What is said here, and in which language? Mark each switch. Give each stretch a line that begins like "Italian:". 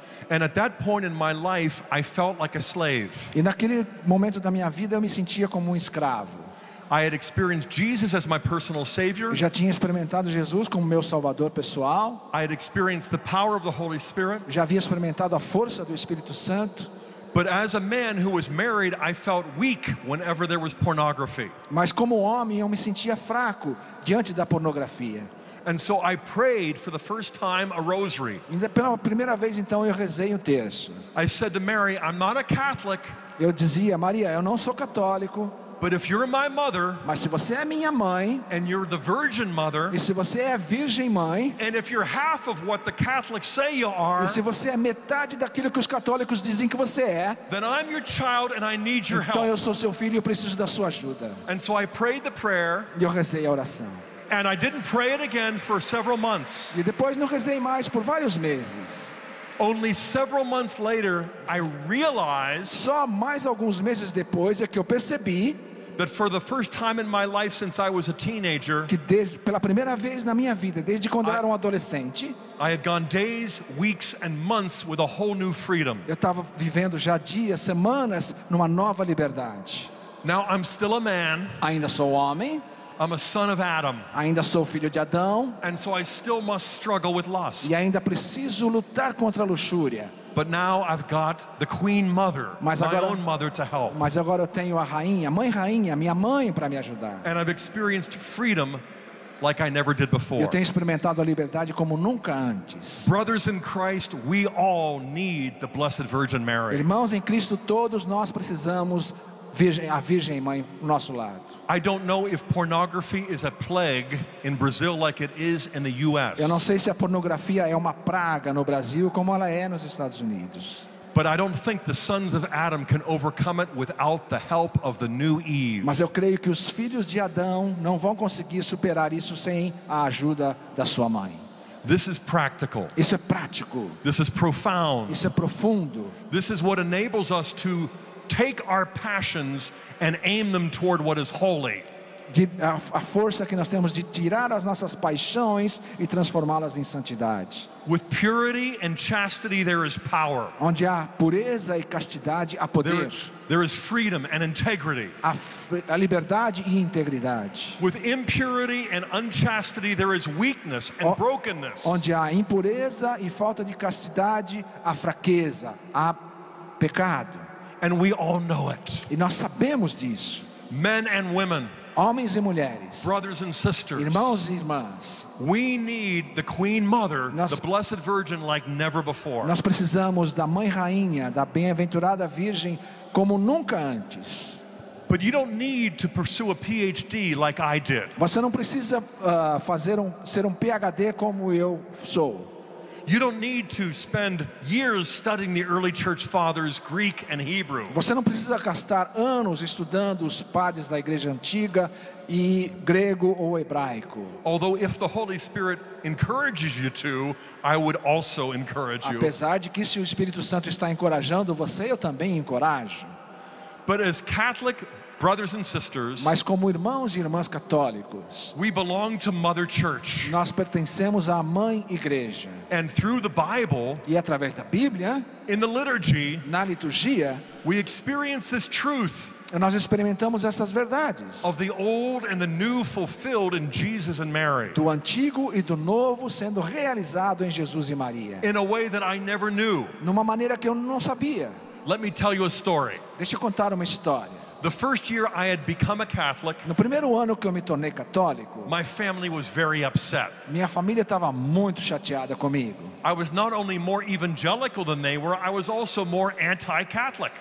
English: And at that point in my life, I felt like a slave.
Portuguese: E naquele momento da minha vida, eu me sentia como escravo.
English: I had experienced Jesus as my personal savior.
Portuguese: Já tinha experimentado Jesus como meu salvador pessoal.
English: I had experienced the power of the Holy Spirit.
Portuguese: Já havia experimentado a força do Espírito Santo.
English: But as a man who was married, I felt weak whenever there was pornography.
Portuguese: Mas como homem, eu me sentia fraco diante da pornografia.
English: And so I prayed for the first time a rosary.
Portuguese: E pela primeira vez então eu rezei um terço.
English: I said to Mary, I'm not a Catholic.
Portuguese: Eu dizia, Maria, eu não sou católico.
English: But if you're my mother,
Portuguese: mas se você é minha mãe,
English: and you're the virgin mother,
Portuguese: e se você é a virgem mãe,
English: and if you're half of what the Catholics say you are,
Portuguese: e se você é metade daquilo que os católicos dizem que você é,
English: then I'm your child and I need your
Portuguese: então
English: help.
Portuguese: Então eu sou seu filho e eu preciso da sua ajuda.
English: And so I prayed the prayer,
Portuguese: e eu rezei a oração.
English: And I didn't pray it again for several months.
Portuguese: E depois não rezei mais por vários meses.
English: Only several months later, I realized.
Portuguese: Só mais alguns meses depois é que eu percebi.
English: But for the first time in my life since I was a teenager,
Portuguese: que desde pela primeira vez na minha vida, desde quando eu era adolescente,
English: I had gone days, weeks, and months with a whole new freedom.
Portuguese: Eu estava vivendo já dias, semanas numa nova liberdade.
English: Now I'm still a man.
Portuguese: Ainda sou homem.
English: I'm a son of Adam.
Portuguese: Ainda sou filho de Adão.
English: And so I still must struggle with lust.
Portuguese: E ainda preciso lutar contra a luxúria.
English: But now I've got the queen mother, my own mother to help.
Portuguese: Mas agora eu tenho a rainha, mãe rainha, minha mãe para me ajudar.
English: And I've experienced freedom like I never did before.
Portuguese: Eu tenho experimentado a liberdade como nunca antes.
English: Brothers in Christ, we all need the Blessed Virgin Mary.
Portuguese: Irmãos em Cristo, todos nós precisamos a Virgem Mãe ao nosso lado.
English: I don't know if pornography is a plague in Brazil like it is in the US.
Portuguese: Eu não sei se a pornografia é uma praga no Brasil como ela é nos Estados Unidos.
English: But I don't think the sons of Adam can overcome it without the help of the new Eve.
Portuguese: Mas eu creio que os filhos de Adão não vão conseguir superar isso sem a ajuda da sua mãe.
English: This is practical.
Portuguese: Isso é prático.
English: This is profound.
Portuguese: Isso é profundo.
English: This is what enables us to take our passions and aim them toward what is holy.
Portuguese: a força que nós temos de tirar as nossas paixões e transformá-las em santidade.
English: With purity and chastity, there is power.
Portuguese: Onde há pureza e castidade, há poder.
English: There is freedom and integrity.
Portuguese: A liberdade e integridade.
English: With impurity and unchastity, there is weakness and brokenness.
Portuguese: Onde há impureza e falta de castidade, há fraqueza, há pecado.
English: And we all know it.
Portuguese: E nós sabemos disso.
English: Men and women.
Portuguese: Homens e mulheres,
English: brothers and sisters,
Portuguese: irmãos e irmãs,
English: we need the Queen Mother, the Blessed Virgin, like never before.
Portuguese: Nós precisamos da Mãe Rainha, da Bem-aventurada Virgem, como nunca antes.
English: But you don't need to pursue a PhD like I did.
Portuguese: Você não precisa ser um PhD como eu sou.
English: You don't need to spend years studying the early church fathers, Greek and Hebrew.
Portuguese: Você não precisa gastar anos estudando os padres da igreja antiga e grego ou hebraico.
English: Although if the Holy Spirit encourages you to, I would also encourage you.
Portuguese: Apesar de que se o Espírito Santo está encorajando você, eu também encorajo.
English: But as Catholic brothers and sisters,
Portuguese: mas como irmãos e irmãs católicos,
English: we belong to Mother Church.
Portuguese: Nós pertencemos à Mãe Igreja.
English: And through the Bible,
Portuguese: e através da Bíblia,
English: in the liturgy,
Portuguese: na liturgia,
English: we experience this truth.
Portuguese: Nós experimentamos essas verdades.
English: Of the old and the new fulfilled in Jesus and Mary.
Portuguese: Do antigo e do novo sendo realizado em Jesus e Maria.
English: In a way that I never knew.
Portuguese: Numa maneira que eu não sabia.
English: Let me tell you a story.
Portuguese: Deixa eu contar uma história.
English: The first year I had become a Catholic,
Portuguese: no primeiro ano que eu me tornei católico,
English: my family was very upset.
Portuguese: Minha família estava muito chateada comigo.
English: I was not only more evangelical than they were, I was also more anti-Catholic.